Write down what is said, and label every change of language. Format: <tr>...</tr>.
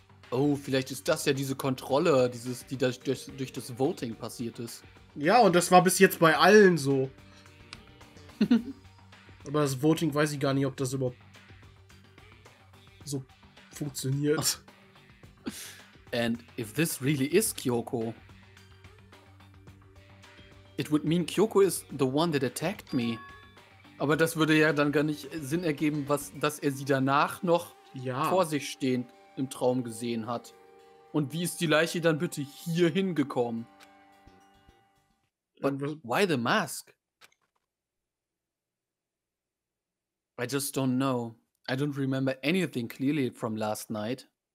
<de>Oh, vielleicht ist das ja diese Kontrolle, die durch das Voting passiert ist. Ja, und das war bis jetzt bei allen so. Aber das Voting, weiß ich gar nicht, ob das überhaupt so funktioniert.</de> <en>And if this really is Kyoko, it would mean Kyoko is the one that attacked me.</en> <de>Aber das würde ja dann gar nicht Sinn ergeben, dass er sie danach noch vor sich stehend im Traum gesehen hat. Und wie ist die Leiche dann bitte hier hingekommen?</de> <en>But why the mask? I just don't know. I don't remember anything clearly from last night.</en>